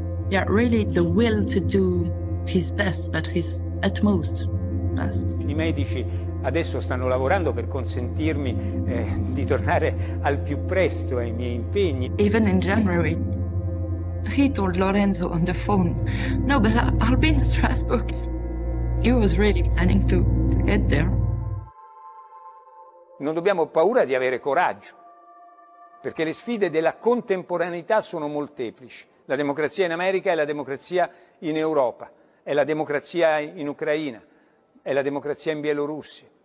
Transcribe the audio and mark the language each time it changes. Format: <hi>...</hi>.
<en>Yeah, really the will to do his best, but his utmost best.</en> <it>I medici adesso stanno lavorando per consentirmi di tornare al più presto ai miei impegni.</it> <en>Even in January, he told Lorenzo on the phone, "No, but I'll be in Strasbourg." He was really planning to get there.</en> <it>Non dobbiamo paura di avere coraggio, perché le sfide della contemporaneità sono molteplici. La democrazia in America è la democrazia in Europa, è la democrazia in Ucraina, è la democrazia in Bielorussia.</it>